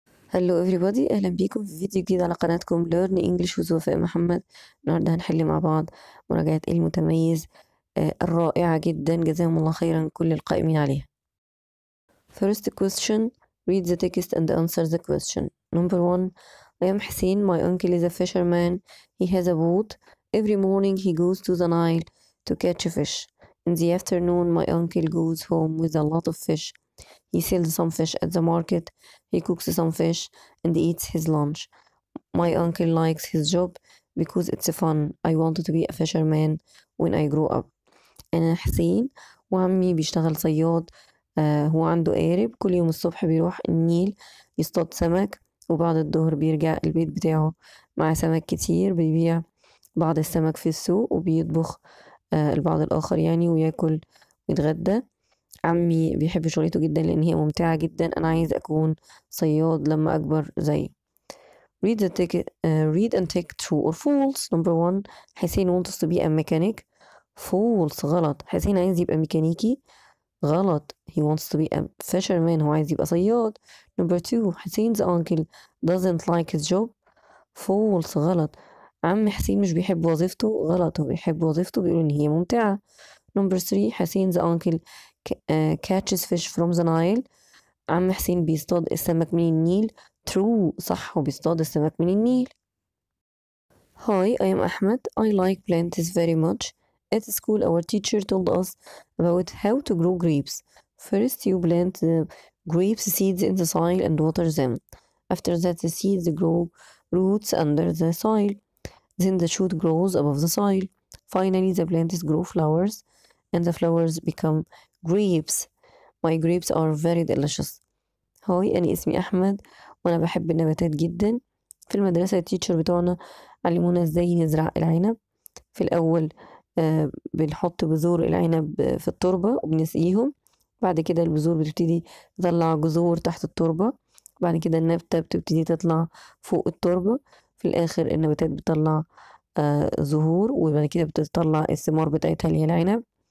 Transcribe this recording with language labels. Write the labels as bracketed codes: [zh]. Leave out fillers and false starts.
[ar] هلو [en] everybody، [ar] اهلا بيكم في فيديو جديد على قناتكم [en] learn English with [ar] وفاء محمد. النهارده هنحل مع بعض مراجعه المتميز الرائعه جدا، جزاهم الله خيرا كل القائمين عليها. [en] First question: read the text and answer the question. Number one: I am حسين. My uncle is a fisherman. He has a boat. Every morning he goes to the Nile to catch fish. In the afternoon my uncle goes home with a lot of fish. He sells some fish at the market. He cooks some fish and eats his lunch. My uncle likes his job because it's fun. I wanted to be a fisherman when I grew up. [ar] أنا حسين وعمي بيشتغل صياد. هو عنده قارب، كل يوم الصبح بيروح النيل يصطاد سمك، وبعد الظهر بيرجع البيت بتاعه مع سمك كتير. بيبيع بعض السمك في السوق وبيطبخ البعض الآخر يعني، وياكل ويتغدى. عمي بيحب شغلته جدا لأن هي ممتعة جدا. أنا عايز أكون صياد لما أكبر زيه. [en] read the ticket read and take true or false. number one: حسين wants to be a mechanic. false، [ar] غلط. حسين عايز يبقى ميكانيكي، غلط. [en] he wants to be a fisherman، [ar] هو عايز يبقى صياد. [en] number two: حسين's uncle doesn't like his job. false، [ar] غلط. عم حسين مش بيحب وظيفته، غلط. هو بيحب وظيفته، بيقول إن هي ممتعة. [en] number three: حسين's uncle catches fish from the Nile. [ar] عم حسين بيصطاد السمك من النيل. [en] true، [ar] صح، وبيصطاد السمك من النيل. [en] hi I am Ahmed. I like plants very much. at school our teacher told us about how to grow grapes. first you plant the grapes seeds in the soil and water them. after that the seeds grow roots under the soil. then the shoot grows above the soil. finally the plants grow flowers and the flowers become grapes. my grapes are very delicious. [ar] هاي، أنا اسمي أحمد وأنا بحب النباتات جدا. في المدرسة التيتشر بتوعنا علمونا ازاي نزرع العنب. في الأول بنحط بذور العنب في التربة وبنسقيهم، بعد كده البذور بتبتدي تطلع جذور تحت التربة، بعد كده النبتة بتبتدي تطلع فوق التربة، في الآخر النباتات بتطلع زهور، وبعد كده بتطلع الثمار بتاعتها اللي هي العنب.